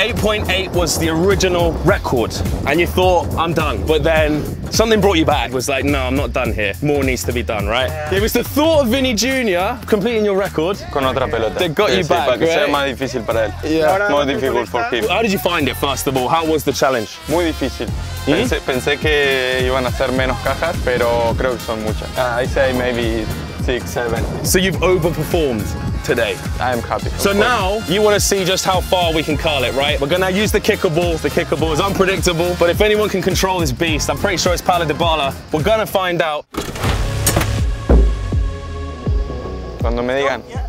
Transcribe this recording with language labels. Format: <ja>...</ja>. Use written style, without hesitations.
<en>8.8 was the original record. And you thought, I'm done. But then something brought you back. It was like, no, I'm not done here. More needs to be done, right? Yeah. It was the thought of Vinny Jr. completing your record.</en> <es>Con otra pelota.</es> <en>That got you back.</en> <es>Right? Sea más difícil para él.</es> <en>Yeah. More difficult for him. How did you find it, first of all? How was the challenge?</en> <es>Muy difícil. Mm-hmm. Pensé que iban a hacer menos cajas, pero creo que son muchas.</es> <en>I say maybe 6, 7. So you've overperformed today. I am happy. So now you want to see just how far we can curl it, right? We're going to use the kicker ball. The kicker ball is unpredictable, but if anyone can control this beast, I'm pretty sure it's Paulo Dybala. We're going to find out.</en> <es>Cuando me digan.</es>